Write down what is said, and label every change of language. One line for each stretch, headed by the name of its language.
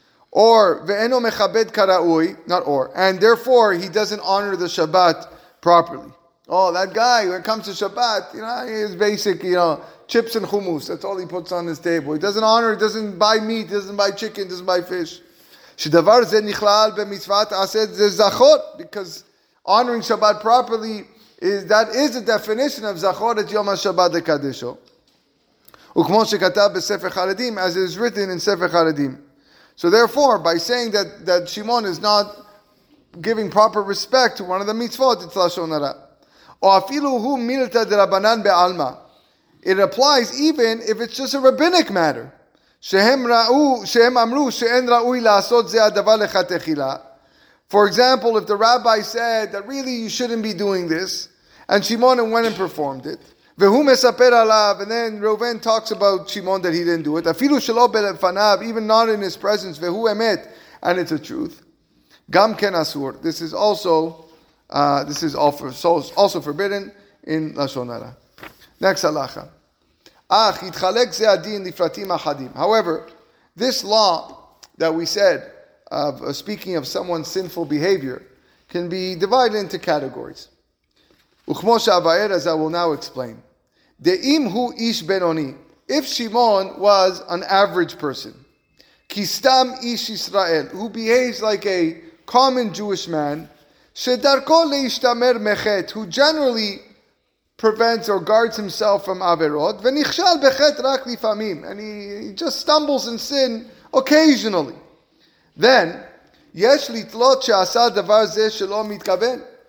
English: Or,
Hebrew: ve'eno mechabed kara'uy,
English: not or, and therefore he doesn't honor the Shabbat properly. Oh, that guy, when it comes to Shabbat, you know, he is basic, you know, chips and hummus, that's all he puts on his table. He doesn't honor, he doesn't buy meat, he doesn't buy chicken, he doesn't buy fish.
Hebrew: שדבר זה נכלל במצוות עשה זה זכור,
English: because honoring Shabbat properly, that is the definition of
Hebrew: זכור את יום השבת לקדשו. וכמו שכתב בספר חרדים,
English: as it is written in
Hebrew: ספר חרדים.
English: So therefore, by saying that Shimon is not giving proper respect to one of the mitzvot, it's Lashon Hara. Or
Hebrew: אפילו הוא מילתא דרבנן בעלמא.
English: It applies even if it's just a rabbinic matter.
Hebrew: שהם אמרו שאין ראוי לעשות זה הדבר לכתחילה.
English: For example, if the rabbi said that really you shouldn't be doing this, and Shimon went and performed it,
Hebrew: והוא מספר עליו,
English: and then Reuven talks about Shimon that he didn't do it,
Hebrew: אפילו שלא בלפניו,
English: even not in his presence,
Hebrew: והוא אמת,
English: and it's a truth,
Hebrew: גם כן אסור.
English: This is also also forbidden in Lashon Hara. Next halacha.
Hebrew: אך יתחלק זה הדין לפרטים אחדים.
English: However, this law that we said, of speaking of someone's sinful behavior, can be divided into categories.
Hebrew: וכמו שאבאר,
English: as I will now explain.
Hebrew: דאם הוא איש בינוני,
English: if Shimon was an average person,
Hebrew: כי סתם איש ישראל,
English: who behaves like a common Jewish man,
Hebrew: שדרכו להשתמר מחט,
English: who generally prevents or guards himself from averot,
Hebrew: ונכשל בחט רק לפעמים,
English: and he just stumbles in sin occasionally, then
Hebrew: יש לתלות שעשה דבר זה שלא מתכוון.